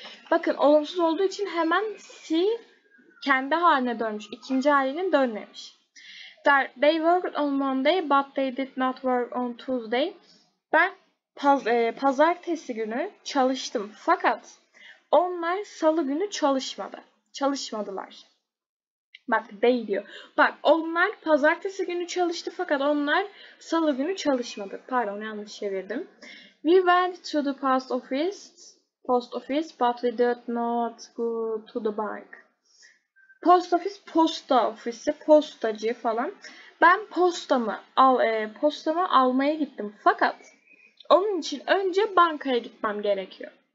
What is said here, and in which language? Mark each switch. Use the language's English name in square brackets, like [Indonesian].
[Turkish] Bakın olumsuz olduğu için hemen see kendi haline dönmüş. İkinci halinin dönmemiş. [English] They worked on Monday, but they did not work on Tuesday. [Turkish] Ben pazartesi günü çalıştım. Fakat onlar salı günü çalışmadı. Çalışmadılar. Bak they diyor. Bak onlar pazartesi günü çalıştı fakat onlar salı günü çalışmadı. Pardon yanlış çevirdim. [English] We went to the post office but we did not go to the bank. [Turkish] Post office, posta ofisi, postacı falan. Ben postamı almaya gittim fakat onun için önce bankaya gitmem gerekiyor.